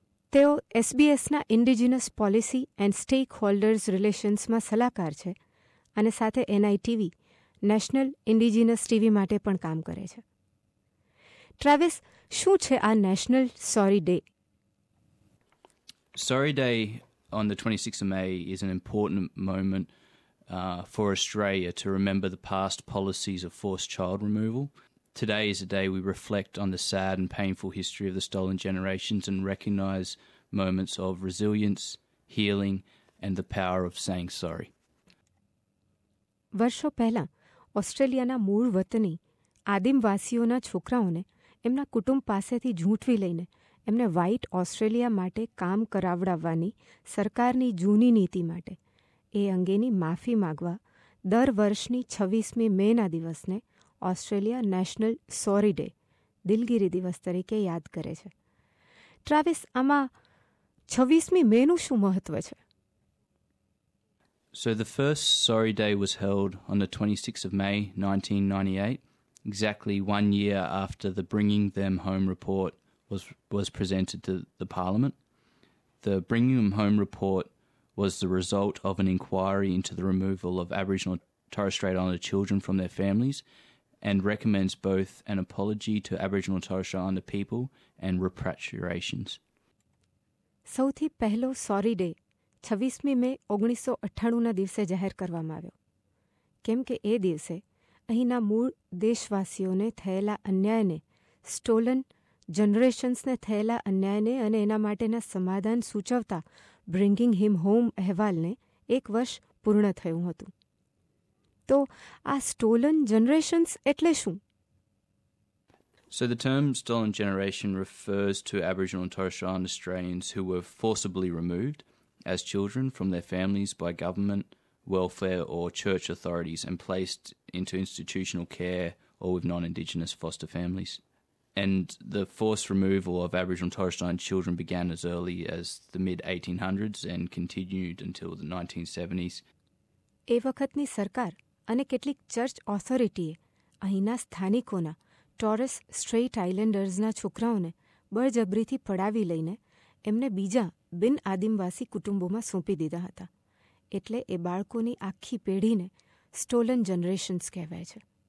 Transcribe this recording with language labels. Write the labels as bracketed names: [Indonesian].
[Gujarati] તેઓ SBSના indigenous policy and stack holders રિલેશન્સમાં સલાહકાર છે અને સાથે NITV નેશનલ ઇન્ડિજિનસ ટીવી માટે પણ કામ કરે છે. ટ્રાવિસ, શું છે આ national sorry day? [English] Sorry day on the 26 May is an important moment for Australia to remember the past policies of forced child removal. Today is a day we reflect on the sad and painful history of the stolen generations and recognize moments of resilience, healing and the power of saying sorry. [Gujarati] વર્ષો પહેલા ઓસ્ટ્રેલિયાના મૂળ વતની આદિમવાસીઓના છોકરાઓને એમના કુટુંબ પાસેથી ઝૂંટવી લઈને એમને વ્હાઇટ ઓસ્ટ્રેલિયા માટે કામ કરાવડાવવાની સરકારની જૂની નીતિ માટે એ અંગેની માફી માંગવા દર વર્ષની 26મી મેના દિવસને ઓસ્ટ્રેલિયા નેશનલ સોરી ડે, દિલગીરી દિવસ તરીકે યાદ કરે છે. ટ્રાવિસ, આમાં 26મી મેનું શું મહત્વ છે? [English] So the first Sorry Day was held on the 26th of May 1998, exactly 1 year after the Bringing Them Home report was presented to the Parliament. The Bringing Them Home report was the result of an inquiry into the removal of Aboriginal and Torres Strait Islander children from their families and recommends both an apology to Aboriginal and Torres Strait Islander people and repatriations. [Gujarati] સૌથી પહેલો sorry day 26મી મે 1998ના દિવસે જાહેર કરવામાં આવ્યો, કેમ કે એ દિવસે અહીંના મૂળ દેશવાસીઓને થયેલા અન્યાયને, સ્ટોલન જનરેશન્સને થયેલા અન્યાયને અને એના માટેના સમાધાન સૂચવતા બ્રિંગિંગ હિમ હોમ અહેવાલને એક વર્ષ પૂર્ણ થયું હતું. તો આ સ્ટોલન જનરેશન્સ એટલે શું? [English] So the term stolen generation refers to Aboriginal and Torres Strait Islander Australians who were forcibly removed as children from their families by government, welfare or church authorities and placed into institutional care or with non-Indigenous foster families. And the forced removal of Aboriginal and Torres Strait Islander children began as early as the mid-1800s and continued until the 1970s. [Gujarati] એ વખતની સરકાર અને કેટલીક church ઓથોરિટીએ અહીંના સ્થાનિકોના Torres straight આઇલેન્ડર્સના છોકરાઓને બળજબરીથી પડાવી લઈને એમને બીજા બિન આદિમવાસી કુટુંબોમાં સોંપી દીધા હતા. એટલે એ બાળકોની આખી પેઢીને સ્ટોલન જનરેશન્સ કહેવાય છે.